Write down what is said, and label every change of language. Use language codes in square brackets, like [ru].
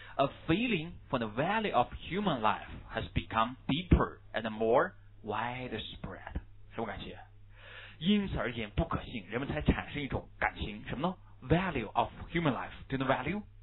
[en] A feeling for the value of human life has become deeper and more widespread. [zh] 什么感觉？因此而言，不可信，人们才产生一种感情，什么呢？ [en] Value of human life, do you know value?